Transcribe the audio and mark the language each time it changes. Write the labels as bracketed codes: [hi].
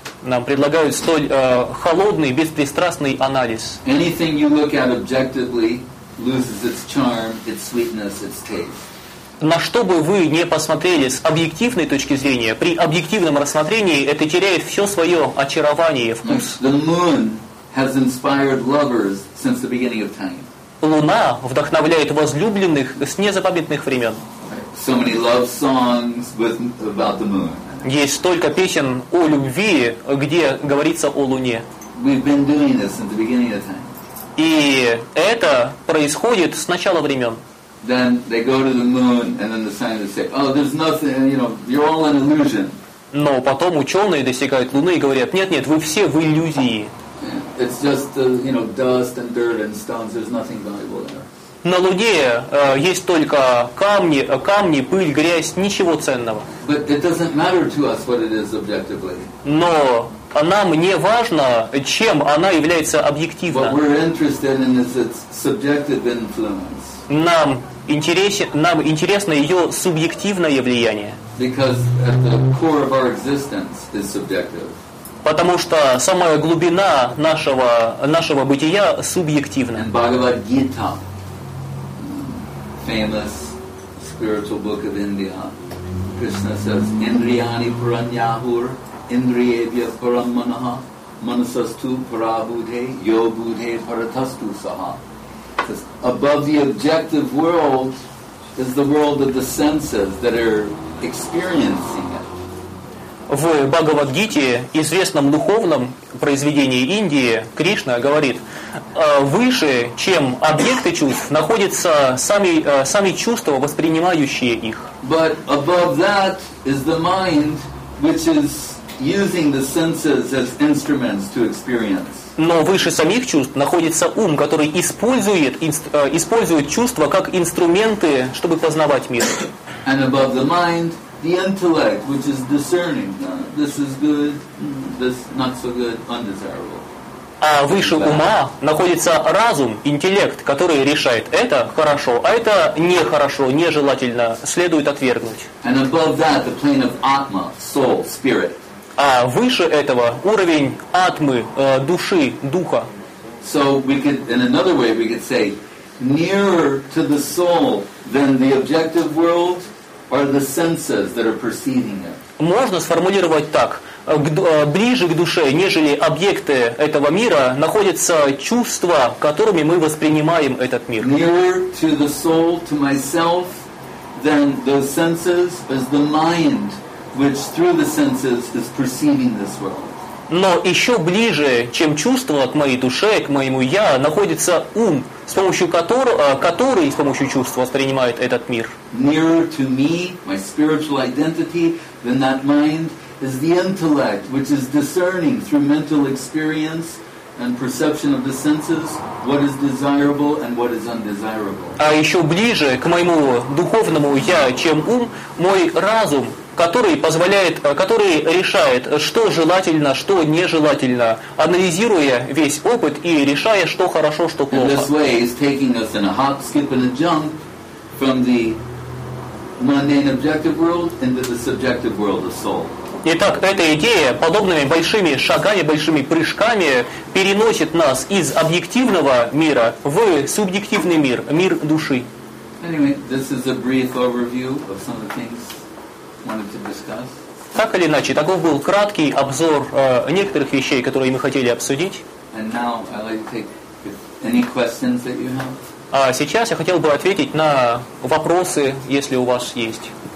[ru] Нам предлагают столь холодный, беспристрастный анализ. [en] Anything you look at objectively loses its charm, its sweetness, its taste. [ru] На что бы вы ни посмотрели с объективной точки зрения, при объективном рассмотрении это теряет все свое очарование, вкус. [en] The moon has inspired lovers since the beginning of time. [ru] Луна вдохновляет возлюбленных с незапамятных времен. [en] So many love songs with about the moon. [ru] Есть столько песен о любви, где говорится о Луне. [en] We've been doing this since the beginning of time. [ru] И это происходит с начала времен. [en] Then they go to the moon, and then the scientists say, "Oh, there's nothing. You know, you're all an illusion." [ru] Но потом ученые достигают Луны и говорят: "Нет, вы все в иллюзии." [en] It's just you know, dust and dirt and stones. There's nothing valuable there. [ru] На Луне есть только камни, пыль, грязь, ничего ценного. [en] But it doesn't matter to us what it is objectively. [ru] Но нам не важно, чем она является объективно. [en] What we're interested in is its subjective influence. [ru] Нам интересно ее субъективное влияние. [en] Because at the core of our existence is subjective. [ru] Потому что самая глубина нашего бытия субъективна. [en] And Bhagавад-гита. Famous spiritual book of India. Krishna says, [sa] Indriyani Puranyahur, Indriyevya Paramanaha, Manasastu Parabhudhe, Yobudhe Paratastu Saha. [en] Says, above the objective world is the world of the senses that are experiencing it. [ru] В Бхагавад-гите, известном духовном произведении Индии, Кришна говорит: выше, чем объекты чувств, находятся сами чувства, воспринимающие их. [en] But above that is the mind, which is using the senses as instruments to experience. [ru] Но выше самих чувств находится ум, который использует чувства как инструменты, чтобы познавать мир. [en] And above the mind, the intellect, which is discerning. This is good, this not so good, undesirable. [ru] А выше ума находится разум, интеллект, который решает, это хорошо, а это нехорошо, нежелательно, следует отвергнуть. А выше этого уровень атмы, души, духа. [en] So we could, in another way, we could say, nearer to the soul than the objective world are the senses that are perceiving it. [ru] Можно сформулировать так. Ближе к душе, нежели объекты этого мира, находятся чувства, которыми мы воспринимаем этот мир. [en] Nearer to the soul, to myself, than the senses is the mind, which through the senses is perceiving this world. [ru] Но еще ближе, чем чувства к моей душе, к моему я, находится ум, с помощью которого, который с помощью чувства воспринимает этот мир. [en] Nearer to me, my spiritual identity, than that mind is the intellect, which is discerning through mental experience and perception of the senses what is desirable and what is undesirable. [ru] А еще ближе к моему духовному я, чем ум, мой разум, который решает, что желательно, что нежелательно, анализируя весь опыт и решая, что хорошо, что плохо. [en] And this way is taking us in a hop, skip, and a jump from the mundane objective world into the subjective world of soul. [ru] Итак, эта идея подобными большими шагами, большими прыжками переносит нас из объективного мира в субъективный мир, мир души. [en] Anyway, this is a brief overview of some of the things I wanted to discuss. [ru] Так или иначе, таков был краткий обзор некоторых вещей, которые мы хотели обсудить. [en] And now I'd like to take any questions that you have. [ru] А сейчас я хотел бы ответить на вопросы, если у вас есть.